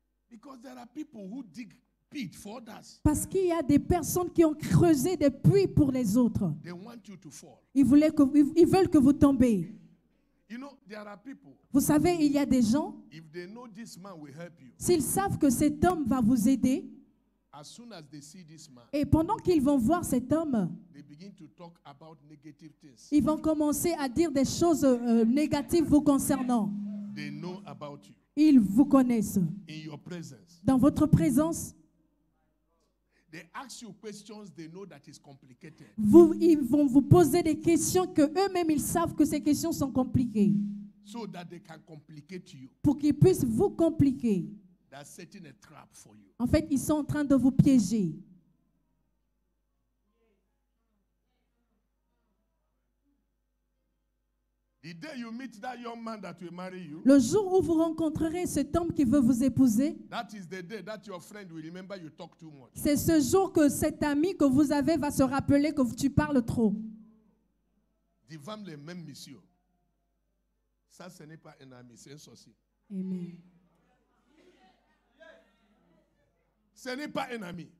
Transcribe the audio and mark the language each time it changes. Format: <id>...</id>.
<en>Because there are people who dig pit for others.</en> <fr>Parce qu'il y a des personnes qui ont creusé des puits pour les autres.</fr> <en>They want you to fall.</en> <fr>Ils veulent que vous tombiez.</fr> <en>You know, there are people,</en> <fr>vous savez, il y a des gens.</fr> <en>If they know this man will help you,</en> <fr>s'ils savent que cet homme va vous aider,</fr> <en>as soon as they see this man,</en> <fr>et pendant qu'ils vont voir cet homme,</fr> <en>they begin to talk about negative things.</en> <fr>Ils vont commencer à dire des choses négatives vous concernant.</fr> <en>They know about you.</en> <fr>Ils vous connaissent.</fr> <en>In your presence.</en> <fr>Dans votre présence.</fr> <en>They ask you questions they know that is complicated.</en> <fr>Ils vont vous poser des questions que eux-mêmes ils savent que ces questions sont compliquées.</fr> <en>So that they can complicate you.</en> <fr>Pour qu'ils puissent vous compliquer.</fr> <en>They're setting a trap for you.</en> <fr>En fait, ils sont en train de vous piéger.</fr> <en>The day you meet that young man that will marry you.</en> <fr>Le jour où vous rencontrerez cet homme qui veut vous épouser.</fr> <en>That is the day that your friend will remember you talk too much.</en> <fr>C'est ce jour que cet ami que vous avez va se rappeler que tu parles trop. Des femmes les mêmes monsieur. Ça ce n'est pas un ami, c'est un sorcier.</fr> <en>Amen.</en> <fr>Ce n'est pas un ami.</fr>